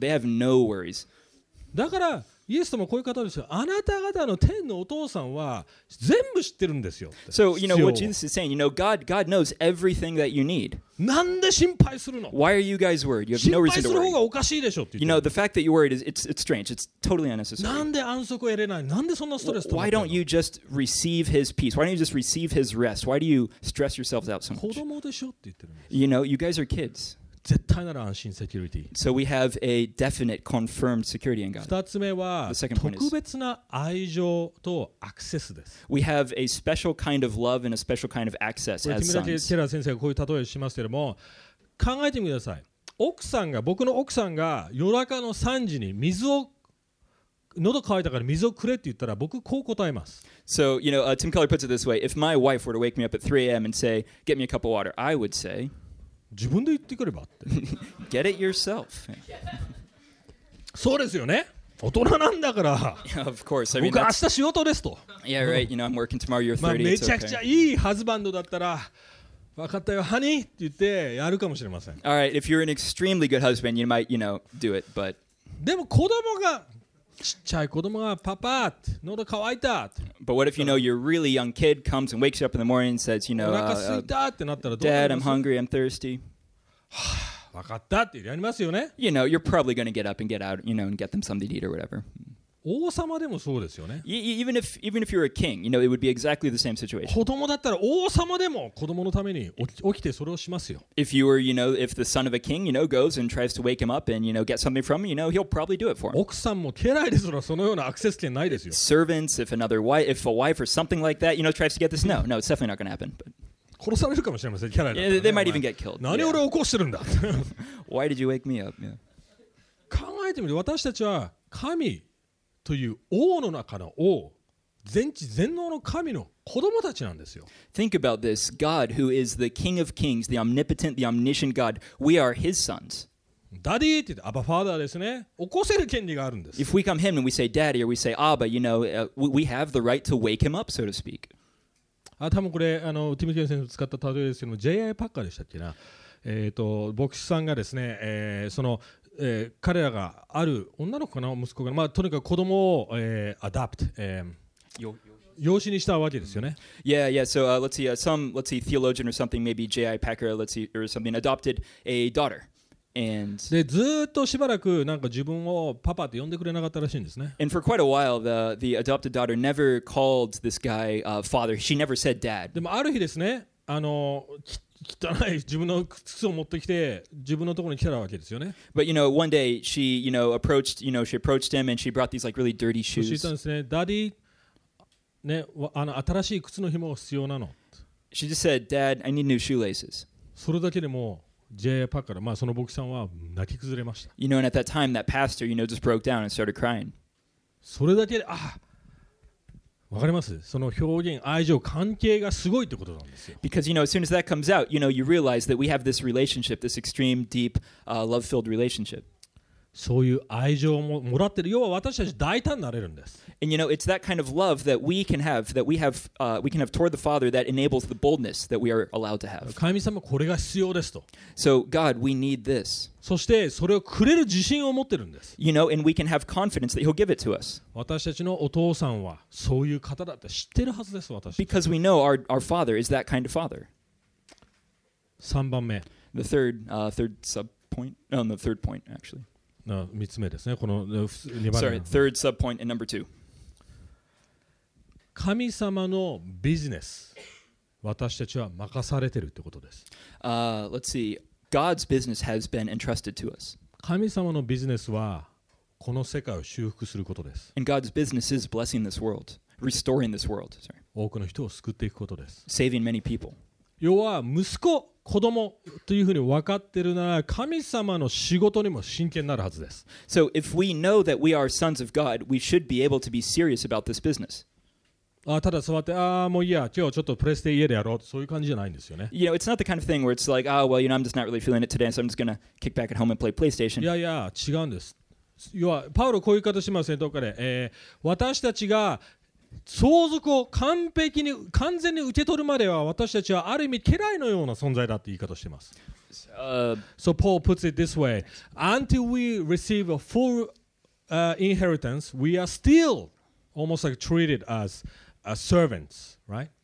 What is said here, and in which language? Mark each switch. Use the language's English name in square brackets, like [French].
[English] They have no worries. [Japanese] だからイエス様こういう方ですよ。あなた方の天のお父さんは全部知ってるんですよ。 [English] So, you know, what Jesus is saying, you know, God knows everything that you need. [Japanese] なんで心配するの? [English] Why are you guys worried? You have no reason to worry. [Japanese] 心配する方がおかしいでしょって。 [English] You know, the fact that you're worried, it's strange. It's totally unnecessary. [Japanese] なんで安息を得れない?なんでそんなストレス取ってるの? [English] Why don't you just receive his peace? Why don't you just receive his rest? Why do you stress yourselves out so much? [Japanese] 子供でしょって言ってるんです。 [English] You know, you guys are kids. [Japanese] 絶対なら安心セキュリティ。 [English] So we have a definite confirmed security in God. [Japanese] 二つ目は特別な愛情とアクセスです。 We have a special kind of love and a special kind of access as sons. これ、テラ先生がこういう例えをしますけれども、考えてみてください。奥さんが、僕の奥さんが夜中の3時に水を喉渇いたから水をくれって言ったら僕こう答えます。 [English] So, you know, Tim Keller puts it this way. If my wife were to wake me up at 3 a.m. and say, get me a cup of water, I would say, [Japanese] 自分で言ってくればって。 [English] Get it yourself. [Japanese] そうですよね。大人なんだから。 [English] Of course. I mean, [Japanese] 僕明日仕事ですと。 [English] Yeah, right. You know, I'm working tomorrow. You're 30. [Japanese] まあ、めちゃくちゃいいハズバンドだったら、分かったよ、ハニーって言ってやるかもしれません。 [English] All right. If you're an extremely good husband, you might, you know, do it. But [Japanese] でも子供が、ちっちゃい子供がパパって、喉乾いたって。 [English] But what if you know your really young kid comes and wakes you up in the morning and says, you know, [Japanese] お腹すいたってなったらどうなります? [English] Dad, I'm hungry. I'm thirsty. [Japanese] わかったってやりますよね。 [English] You know, you're probably going to get up and get out, you know, and get them something to eat or whatever. [Japanese] 王様でもそうですよね。 [English] Even if you're a king, you know, it would be exactly the same situation. [Japanese] 子供だったら王様でも子供のために起きてそれをしますよ。 [English] If you were, you know, if the son of a king, you know, goes and tries to wake him up and, you know, get something from him, you know, he'll probably do it for him. [Japanese] 奥さんも家来ですらそのようなアクセス権ないですよ。 [English] Servants, if another wife, if a wife or something like that, you know, tries to get this, no, it's definitely not going to happen. But... [Japanese] 殺されるかもしれません。キャラだったらね、 [English] They might even get killed. [Japanese] 何俺を起こしてるんだ。 [English] Why did you wake me up? Yeah. [Japanese] 考えてみて、私たちは神という王の中の王、全知全能の神の子供たちなんですよ。 [English] Think about this. God, who is the King of Kings, the Omnipotent, the Omniscient God, we are His sons. [Japanese] ダディって言って、アバファーダーですね。起こせる権利があるんです。 [English] If we come him and we say daddy or we say Abba, you know, we have the right to wake him up, so to speak. [Japanese] あ、多分これあのティム・ジェン先生使った例ですけども、J.I. パッカーでしたっけな、牧師さんがですね、その、彼らがある女の子かな、息子が、まあ、とにかく子供を、アダプト、養子にしたわけですよね。 [English] Yeah, yeah. So, let's see, some, let's see, theologian or something, maybe J.I. Packer, let's see, or something, adopted a daughter. [Japanese] でずっとしばらくなんか自分をパパって呼んでくれなかったらしいんですね。 [English] And for quite a while, the adopted daughter never called this guy father. She never said dad. [Japanese] でもある日ですね、あの汚い自分の靴を持ってきて自分のところに来たわけですよね。 [English] But you know, one day she, you know, approached, you know, she approached him and she brought these like really dirty shoes. [Japanese] そしたんですね、ダディ、ね、あの新しい靴の紐が必要なの。 [English] She just said, Dad, I need new shoelaces. [Japanese] それだけでも。J.I. パッカーから、まあ、その牧師さんは泣き崩れました。 [English] You know, and at that time, that pastor, you know, just broke down and started crying. [Japanese] それだけで、あ、わかります?その表現、愛情、関係がすごいってことなんですよ。 [English] Because, you know, as soon as that comes out, you know, you realize that we have this relationship, this extreme, deep, love-filled relationship. [Japanese] そういう愛情をもらってる。要は私たち大胆になれるんです。 [English] And, you know, it's that kind of love that we can have, that we can have toward the Father that enables the boldness that we are allowed to have. [Japanese] 神様、これが必要ですと。 [English] So, God, we need this. [Japanese] そして、それをくれる自信を持ってるんです。 [English] You know, and we can have confidence that He'll give it to us. [Japanese] 私たちのお父さんは、そういう方だって知ってるはずです、私たち。 [English] Because we know our Father is that kind of Father. [Japanese] 3番目。 [English] The third, third sub-point. No, the third point, actually. [Japanese] の3つ目ですね。この2番目。 [English] Sorry, third subpoint and number two. [Japanese] 神様のビジネス、私たちは任されてるってことです。 [English] Let's see. God's business has been entrusted to us. [Japanese] 神様のビジネスはこの世界を修復することです。 [English] And God's business is blessing this world, restoring this world. Sorry. [Japanese] 多くの人を救っていくことです。 [English] Saving many people. [Japanese] 要は息子、子供というふうに分かってるなら神様の仕事にも真剣になるはずです。 [English] So if we know that we are sons of God, we should be able to be serious about this business. [Japanese] あ、ただ座って、ああ、もういいや、今日はちょっとプレステ家でやろう、そういう感じじゃないんですよね。 [English] You know, it's not the kind of thing where it's like, ah, well, you know, I'm just not really feeling it today, so I'm just gonna kick back at home and play PlayStation. [Japanese] いやいや、違うんです。要はパウロこういう言い方しますね、どっかで。私たちが相続を完璧に完全に受け取るまでは私たちはある意味家来のような存在だって言い方をしています。 [English] So Paul puts it this way: until we receive a full inheritance, we are still almost like treated as servants, right?、